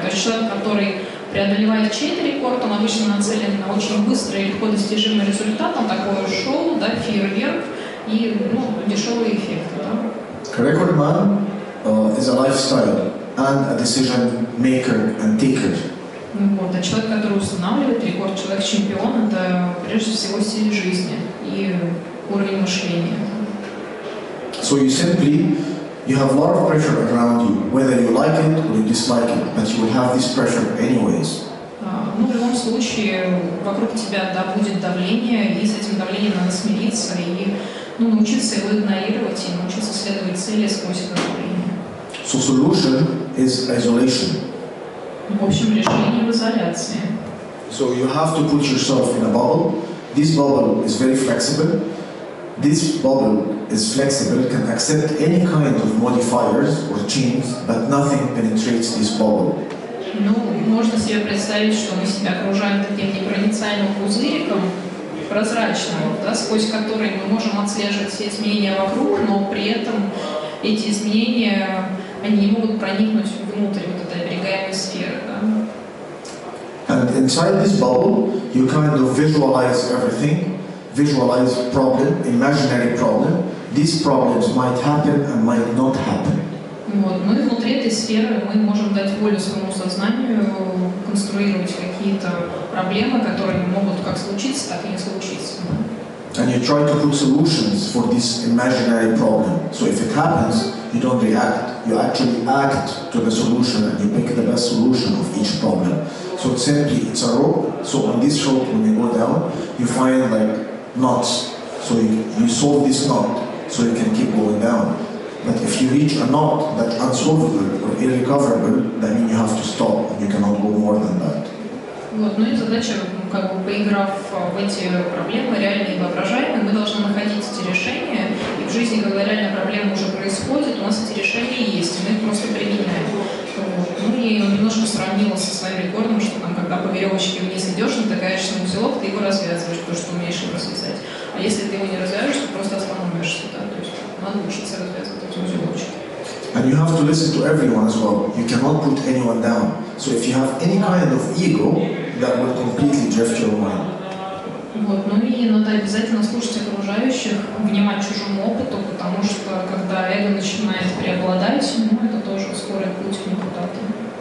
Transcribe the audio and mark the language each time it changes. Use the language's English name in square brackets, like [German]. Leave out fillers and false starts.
[Russian] То есть человек, который преодолевает чей-то рекорд, он обычно нацелен на очень быстрый и легко достижимый результат, он такое шоу, да, фейерверк и ну, дешевые эффекты. [English] Record man is a lifestyle and a decision maker and taker. [Russian] Вот, а человек, который устанавливает рекорд, человек-чемпион, это прежде всего стиль жизни и уровень мышления. [English] So you simply, you have a lot of pressure around you, whether you like it or you dislike it, but you will have this pressure anyways. [Russian] Ну, в любом случае, вокруг тебя, да, будет давление, и с этим давлением надо смириться, и, ну, научиться его игнорировать, и научиться следовать цели сквозь это давление. [English] So solution is isolation. [Russian] В общем, решение в изоляции. [English] So you have to put yourself in a bubble. This bubble is very flexible. This bubble is flexible, can accept any kind of modifiers or change, but nothing penetrates this bubble. [Russian] Ну, можно себе представить, что мы себя окружаем таким непроницаемым пузыриком, прозрачным, да, сквозь который мы можем отслеживать все изменения вокруг, но при этом эти изменения, они не могут проникнуть внутрь вот этой оберегаемой сферы, да. [English] And inside this bubble, you kind of visualize everything. Visualize problem, imaginary problem. These problems might happen and might not happen. [Russian] Вот, мы внутри этой сферы мы можем дать волю своему сознанию конструировать какие-то проблемы, которые могут как случиться, так и не случиться. [English] And you try to put solutions for this imaginary problem. So if it happens, you don't react. You actually act to the solution and you pick the best solution of each problem. So it's simply it's a rope. So on this rope, when you go down, you find like knots, so you solve this knot, so you can keep going down. But if you reach a knot that's unsolvable or irrecoverable, that means you have to stop, and you cannot go more than that. [Russian] Вот, ну и задача, как бы поиграв в эти проблемы, реальные и воображаемые, мы должны находить эти решения, и в жизни, когда реально проблема уже происходит, у нас эти решения есть, и мы их просто применяем. Ну и он немножко сравнил со своим рекордом, что там, когда по веревочке вниз идешь, натыкаешься на узелок, ты его развязываешь, потому что умеешь его развязать. А если ты его не развяжешь, то просто остановишься, да, то есть надо учиться развязывать эти узелочки. [English] And you have to listen to everyone as well. You cannot put anyone down. So if you have any kind of ego, that will completely drift your mind. [Russian] Вот, ну и надо обязательно слушать окружающих, внимать чужому опыту, потому что когда эго начинает преобладать, ну это тоже скорый путь к депутатам.